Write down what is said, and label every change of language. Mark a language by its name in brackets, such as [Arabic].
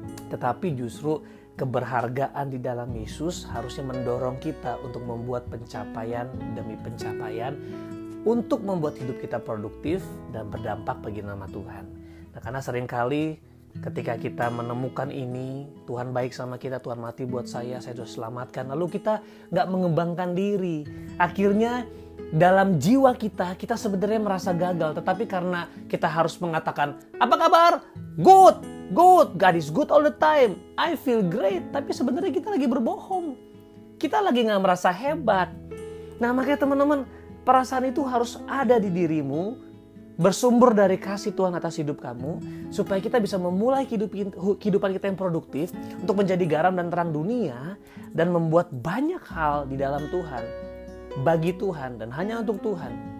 [Indonesian] Tetapi justru keberhargaan di dalam Yesus harusnya mendorong kita untuk membuat pencapaian demi pencapaian, untuk membuat hidup kita produktif dan berdampak bagi nama Tuhan. Nah, karena seringkali ketika kita menemukan ini, Tuhan baik sama kita, Tuhan mati buat saya sudah selamatkan. Lalu kita gak mengembangkan diri. Akhirnya dalam jiwa kita sebenarnya merasa gagal. Tetapi karena kita harus mengatakan, apa kabar? [English] Good, God is good all the time. I feel great. [Indonesian] Tapi sebenarnya kita lagi berbohong. Kita lagi gak merasa hebat. Nah, makanya teman-teman, perasaan itu harus ada di dirimu. bersumber dari kasih Tuhan atas hidup kamu, supaya kita bisa memulai kehidupan kita yang produktif untuk menjadi garam dan terang dunia dan membuat banyak hal di dalam Tuhan, bagi Tuhan dan hanya untuk Tuhan.